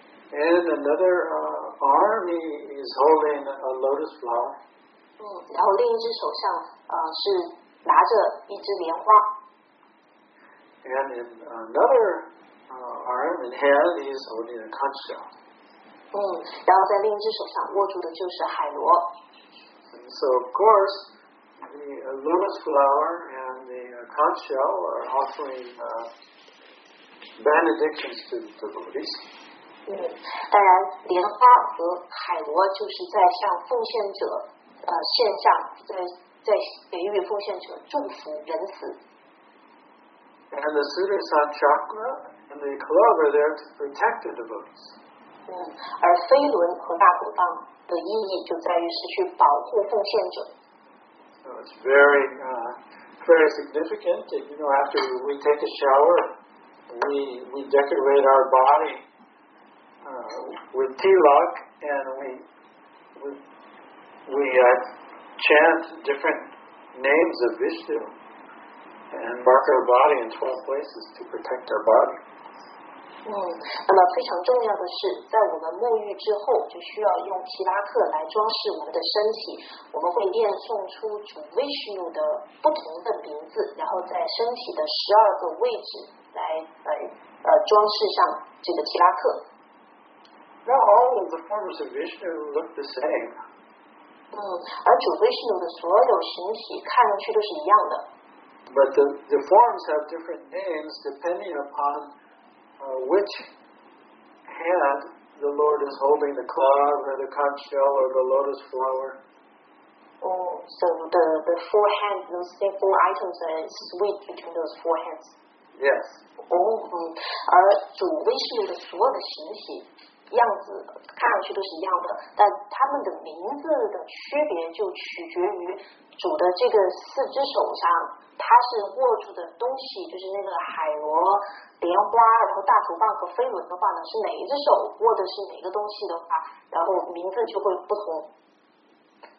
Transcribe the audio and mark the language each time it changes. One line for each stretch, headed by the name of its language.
English: And another arm he is holding a lotus flower.
Chinese: 然后另一只手上是拿着一只莲花。
English: And in another arm and hand he is holding a conch shell.
Chinese: 然后在另一只手上握住的就是海螺。
English: And so of course the lotus flower and the conch shell are offering benedictions to the devotees.
Chinese: 当然莲花和海螺就是在向奉献者献上 在给予奉献者祝福仁慈。
English: And the Sudarshan Chakra and the club are there to protect the devotees.
Chinese: 而飞轮和大鼓棒的意义就在于是去保护奉献者。
English: So it's very, very significant that, you know, after we take a shower, we decorate our body. With tilak and we chant different names of Vishnu and mark our body in 12 places to protect our body.
Chinese: 那么非常重要的是，在我们沐浴之后，就需要用提拉克来装饰我们的身体。我们会念诵出主 Vishnu 的不同的名字，然后在身体的12个位置来装饰上这个提拉克。
English: Not all of the forms of Vishnu look the same.
Chinese: 而主 Vishnu 的所有形体看上去都是一样的。
English: But the forms have different names depending upon which hand the Lord is holding, the club or the conch shell or the lotus flower. So the four hands, those same four items are split between those four hands. Yes.
Chinese: 而主 Vishnu 的所有的形体样子看上去都是一样的，但他们的名字的区别就取决于主的这个四只手上，他是握住的东西，就是那个海螺、莲花，然后大鼓棒和飞轮的话呢，是哪一只手握的是哪个东西的话，然后名字就会不同。